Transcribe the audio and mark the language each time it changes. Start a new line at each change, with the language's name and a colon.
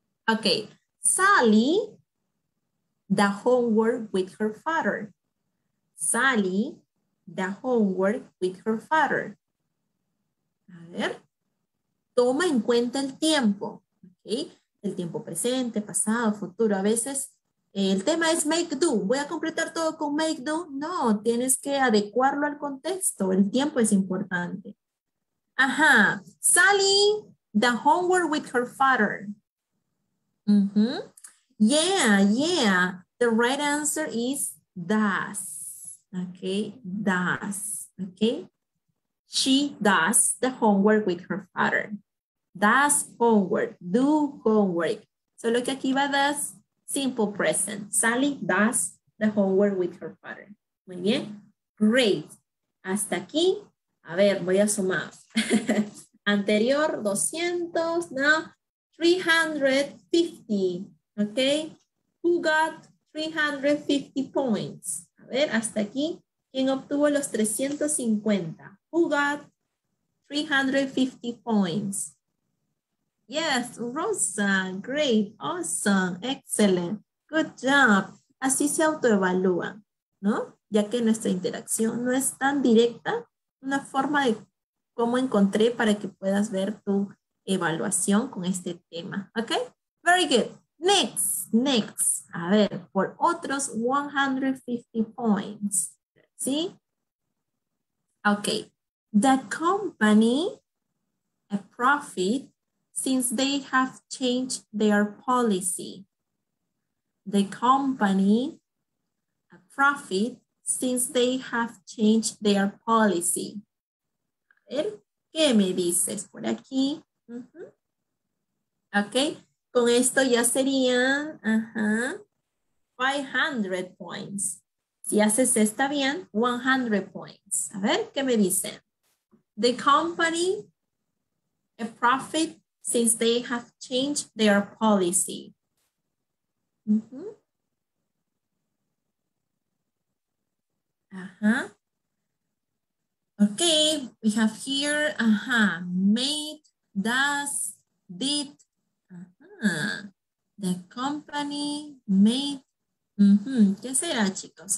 English: Okay, Sally does homework with her father. Sally does homework with her father.
Spanish: A ver, toma en cuenta el tiempo, okay? El tiempo presente, pasado, futuro. A veces el tema es make do. ¿Voy a completar todo con make do? No, tienes que adecuarlo al contexto. El tiempo es importante.
English: Ajá, Sally the homework with her father. Mm-hmm. Yeah, yeah. The right answer is does. Okay, does. Okay. She does the homework with her father. Does homework. Do homework. So look
Spanish: aquí va
English: does. Simple present. Sally does the homework with her father.
Spanish: Muy bien.
English: Great.
Spanish: Hasta aquí. A ver, voy a sumar. Anterior, 200, no, 350, ok.
English: Who got 350 points?
Spanish: A ver, hasta aquí, ¿quién obtuvo los 350?
English: Who got 350 points? Yes, Rosa, great, awesome, excellent, good job.
Spanish: Así se autoevalúa, ¿no? Ya que nuestra interacción no es tan directa, una forma de cómo encontré para que puedas ver tu evaluación con este tema.
English: ¿Ok? Very good. Next.
Spanish: A ver, por otros
English: 150 points. ¿Sí? Ok. The company a profit since they have changed their policy. The company a profit since they have changed their policy.
Spanish: ¿Qué me dices por aquí? Uh-huh. Ok, con esto ya serían 500 points. Si haces esta bien, 100 points. A ver, ¿qué me dicen?
English: The company a profit since they have changed their policy. Uh-huh. Ajá. Okay, we have here, made, does, did, the company made,
Spanish: ¿qué será, chicos?